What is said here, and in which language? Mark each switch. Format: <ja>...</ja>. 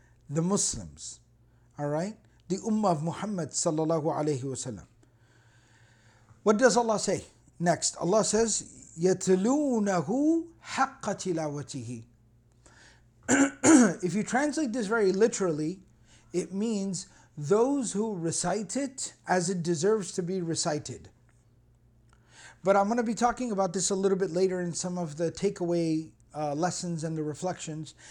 <en>All right, the Ummah of Muhammad sallallahu alayhi wa sallam. What does Allah say next?</en> <ar>Allah says, يَتْلُونَهُ حَقَّ تِلَاوَتِهِ.</ar> <en>If you translate this very literally, it means those who recite it as it deserves to be recited. But I'm going to be talking about this a little bit later in some of the takeaway lessons and the reflections.</en>